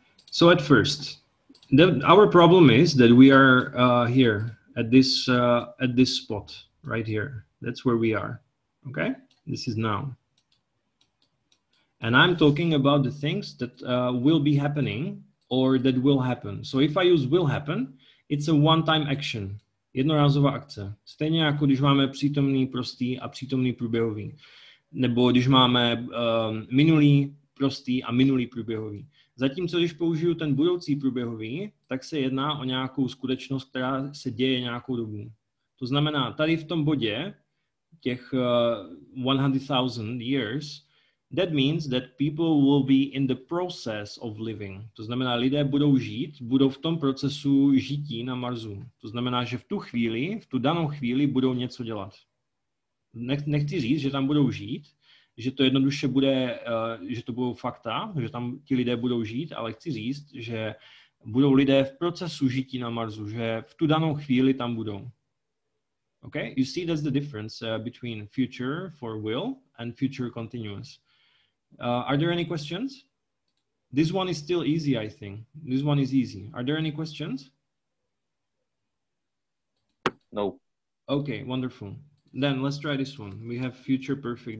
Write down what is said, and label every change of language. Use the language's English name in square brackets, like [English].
[English] So at first, our problem is that we are here at this spot right here. That's where we are. Okay, this is now. And I'm talking about the things that will be happening or that will happen. So if I use will happen, it's a one-time action. [Czech] Jednorázová akce. Stejně jako když máme přítomný prostý a přítomný průběhový. Nebo když máme minulý prostý a minulý průběhový. Zatímco když použiju ten budoucí průběhový, tak se jedná o nějakou skutečnost, která se děje nějakou dobu. To znamená, tady v tom bodě těch [English] 100,000 years, that means that people will be in the process of living. [Czech] To znamená, lidé budou žít, budou v tom procesu žití na Marsu. To znamená, že v tu chvíli, v tu danou chvíli budou něco dělat. Nechci říct, že tam budou žít, že to jednoduše bude, že to budou fakta, že tam ti lidé budou žít, ale chci říct, že budou lidé v procesu žití na Marsu, že v tu danou chvíli tam budou. [English] Okay? You see, that's the difference between future for will and future continuous. Are there any questions? This one is still easy, I think. This one is easy. Are there any questions? No. Okay, wonderful. Then let's try this one. We have future perfect.